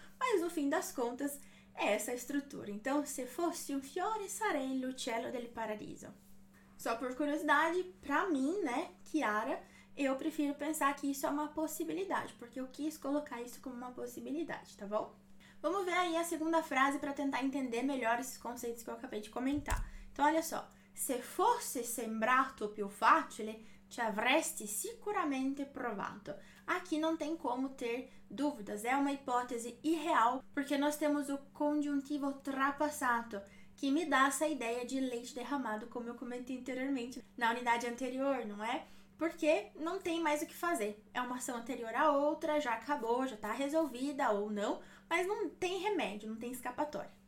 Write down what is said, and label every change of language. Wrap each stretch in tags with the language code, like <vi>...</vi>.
<pt>Mas no fim das contas, é essa a estrutura. Então, se</pt> <it>fosse um fiore, sarei l'uccello del paradiso.</it> <pt>Só por curiosidade, para mim, né, Kiara, eu prefiro pensar que isso é uma possibilidade, porque eu quis colocar isso como uma possibilidade, tá bom? Vamos ver aí a segunda frase para tentar entender melhor esses conceitos que eu acabei de comentar.</pt> <it>Então, olha só: se fosse sembrato più facile, ci avresti sicuramente provato.</it> <pt>Aqui não tem como ter dúvidas, é uma hipótese irreal, porque nós temos o congiuntivo trapassato, que me dá essa ideia de leite derramado, como eu comentei anteriormente na unidade anterior, não é? Porque não tem mais o que fazer. É uma ação anterior à outra, já acabou, já está resolvida ou não, mas não tem remédio, não tem escapatória.</pt>